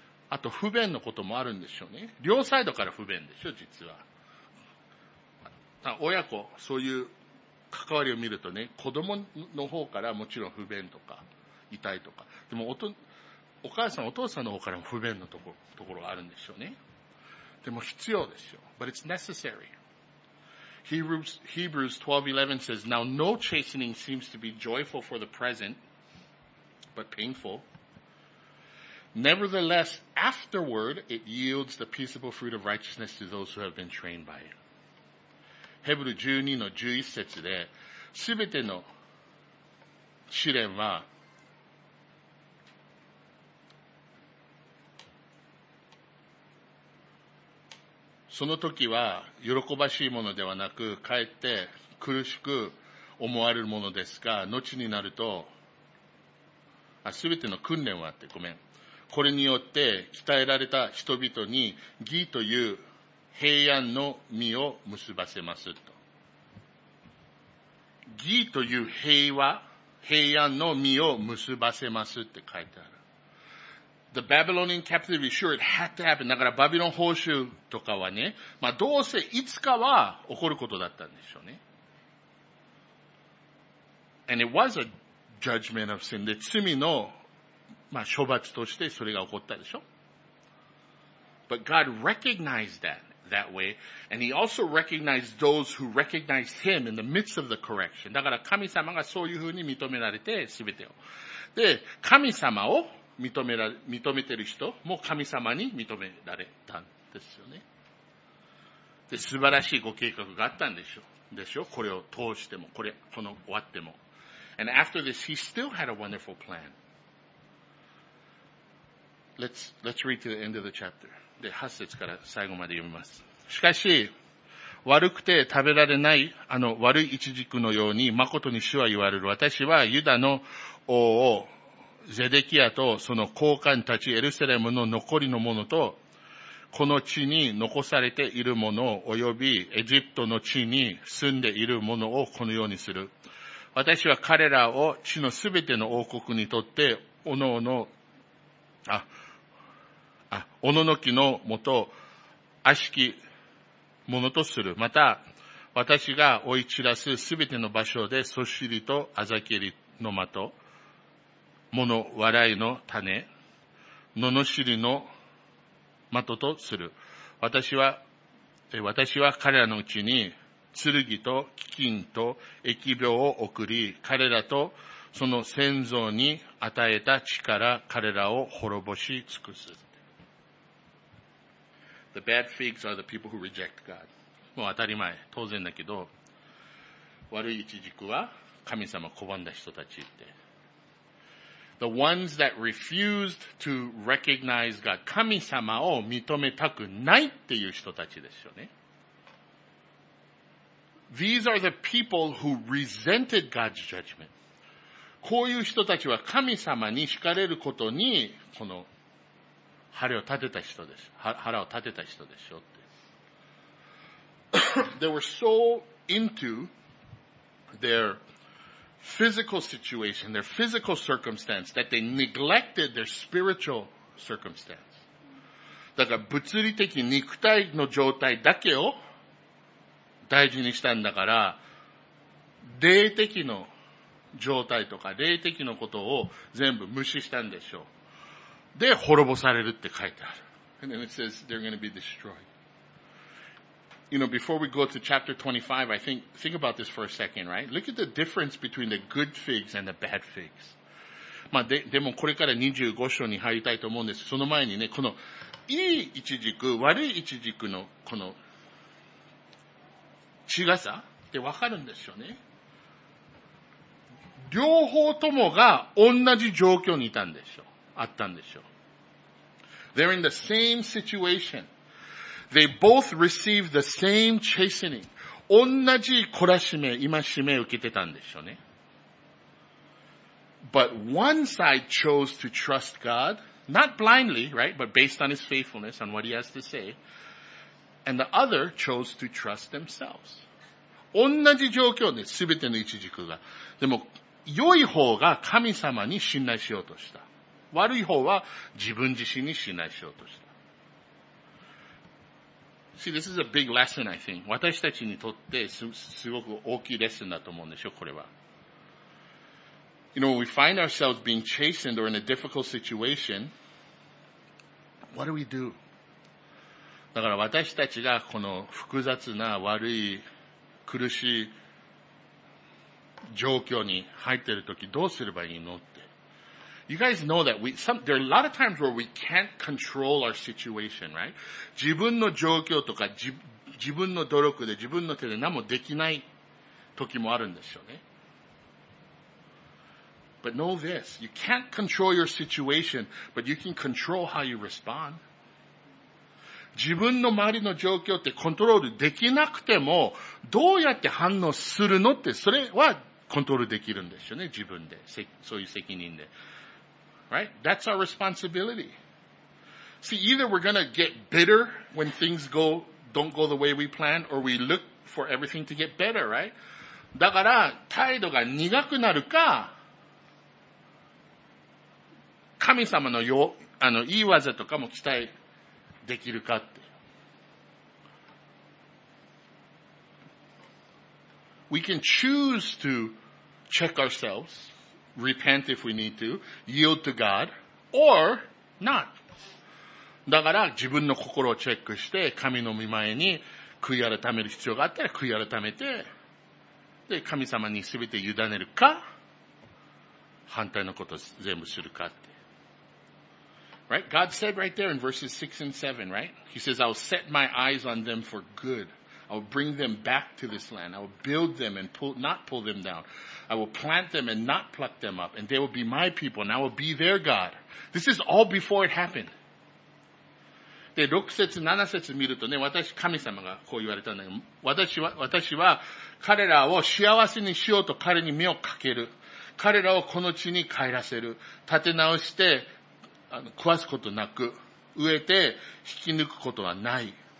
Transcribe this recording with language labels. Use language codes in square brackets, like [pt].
[ja] あと、不便のこともあるんでしょうね。両サイドから不便でしょ、実は。親子、そういう、関わりを見るとね、子供の方からもちろん不便とか、痛いとか。でも、お母さん、お父さんの方からも不便なところがあるんでしょうね。でも、必要でしょう。 [en] But it's necessary. Hebrews 12:11 says, Now no chastening seems to be joyful for the present, but painful. Nevertheless, afterward, it yields the peaceable fruit of righteousness to those who have been trained by it. [ja] ヘブル 12:11 節で、すべての試練は、その時は喜ばしいものではなく、かえって苦しく思われるものですが、後になると、すべての訓練はあって、ごめん。これによって鍛えられた人々に義という平安の実を結ばせますと。義という平和、平安の実を結ばせますって書いてある。 [en] The Babylonian captivity, sure, it had to happen. [ja] だからバビロン捕囚とかはね、まあどうせいつかは起こることだったんでしょうね。 [en] And it was a judgment of sin. [ja] で、罪の、まあ、処罰としてそれが起こったでしょ。 [en] But God recognized that. That way, and he also recognized those who recognized him in the midst of the correction. [ja] だから神様がそういうふうに認められて、すべてを。で、神様を認めてる人も神様に認められたんですよね。で、素晴らしいご計画があったんでしょう。でしょ？これを通しても、この終わっても。 [en] And after this, he still had a wonderful plan. Let's read to the end of the chapter. [ja] で、8節から最後まで読みます。しかし、悪くて食べられない、あの悪い一軸のように、誠に主は言われる。私はユダの王を、ゼデキヤとその高官たち、エルサレムの残りの者と、この地に残されている者、及びエジプトの地に住んでいる者をこのようにする。私は彼らを地のすべての王国にとって、おののきのもと、悪しき者とする。また、私が追い散らすすべての場所で、そしりとあざけりの的、もの笑いの種、ののしりの的とする。私は彼らのうちに、剣と飢饉と疫病を送り、彼らとその先祖に与えた力、彼らを滅ぼし尽くす。 [en] The bad figs are the people who reject God. [ja] もう当たり前、当然だけど、悪い一軸は神様を拒んだ人たちって。 [en] The ones that refused to recognize God, [ja] 神様を認めたくないっていう人たちですよね。 [en] These are the people who resented God's judgment. [ja] こういう人たちは神様に惹かれることに、この、腹を立てた人でしょって。 [en] They were so into their physical situation, their physical circumstance, that they neglected their spiritual circumstance. [ja] だから物理的肉体の状態だけを、大事にしたんだから、霊的の状態とか霊的のことを全部無視したんでしょう。で、滅ぼされるって書いてある。 [en] And then it says they're going to be destroyed. You know, before we go to chapter 25, I think about this for a second, right? Look at the difference between the good figs and the bad figs. [ja] まあ、でもこれから25章に入りたいと思うんです。その前にね、この良い一軸、悪い一軸のこの違さってわかるんですよね。両方ともが同じ状況にいたんでしょう。あったんでしょう。 [en] They're in the same situation. They both received the same chastening. [ja] 同じ懲らしめ、戒め受けてたんでしょうね。 [en] But one side chose to trust God, not blindly, right, but based on his faithfulness and what he has to say. And the other chose to trust themselves. [ja] 同じ状況で、すべての一軸が。でも、良い方が神様に信頼しようとした。悪い方は自分自身に信頼しようとした。 [en] See, this is a big lesson, I think. [ja] 私たちにとって すごく大きいレッスンだと思うんでしょ、これは。 [en] You know, when we find ourselves being chastened or in a difficult situation, what do we do? [ja] だから私たちがこの複雑な悪い苦しい状況に入っているときどうすればいいのって。 [en] You guys know that there are a lot of times where we can't control our situation, right? [ja] 自分の状況とか自分の努力で自分の手で何もできないときもあるんですよね。 [en] But know this, you can't control your situation, but you can control how you respond. [ja] 自分の周りの状況ってコントロールできなくても、どうやって反応するのって、それはコントロールできるんですよね、自分で。そういう責任で。 [en] Right? That's our responsibility. See, either we're gonna get bitter when things don't go the way we plan, or we look for everything to get better, right? [ja] だから、態度が苦くなるか、神様のよ、あの、いい技とかも期待、できるかって。 [en] We can choose to check ourselves, repent if we need to, yield to God, or not. [ja] だから自分の心をチェックして、神の御前に悔い改める必要があったら悔い改めて、で、神様に全て委ねるか、反対のことを全部するかって。 [en] Right? God said right there in verses 6 and 7, right? He says, I'll set my eyes on them for good. I will bring them back to this land. I will build them and not pull them down. I will plant them and not pluck them up. And they will be my people and I will be their God. This is all before it happened. [ja] で、6節、7節見るとね、私、神様がこう言われたんだけど、私は彼らを幸せにしようと彼に目をかける。彼らをこの地に帰らせる。立て直して、食わすことなく、植えて引き抜くことはない。